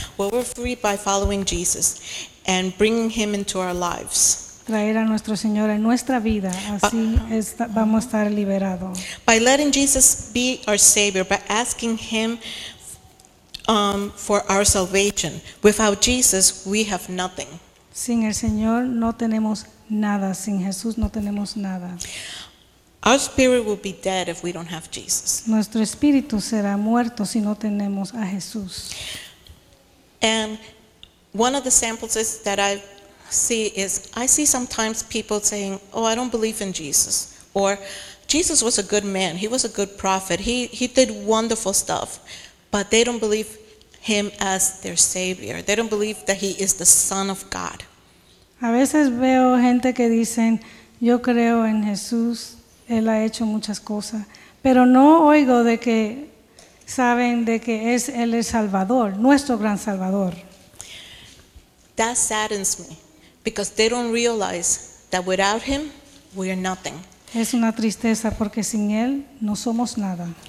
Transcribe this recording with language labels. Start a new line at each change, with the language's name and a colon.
English: Well, we're free by following Jesus and bringing Him into our lives.
Spanish: Traer a nuestro Señor en nuestra vida, así vamos a estar liberados.
English: By letting Jesus be our Savior, by asking Him for our salvation. Without Jesus, we have nothing.
Spanish: Sin el Señor no tenemos nada. Sin Jesús no tenemos nada.
English: Our spirit will be dead if we don't have Jesus.
Spanish: Nuestro espíritu será muerto si no tenemos a Jesús.
English: And one of the samples that I see is, I see sometimes people saying, oh, I don't believe in Jesus. Or, Jesus was a good man. He was a good prophet. He did wonderful stuff. But they don't believe Him as their Savior. They don't believe that He is the Son of God.
Spanish: A veces veo gente que dicen, yo creo en Jesús. Él ha hecho muchas cosas, pero no oigo de que saben de que es Él el Salvador, nuestro gran Salvador.
English: That saddens me, because they don't realize that without Him, we are nothing.
Spanish: Es una tristeza porque sin Él no somos nada.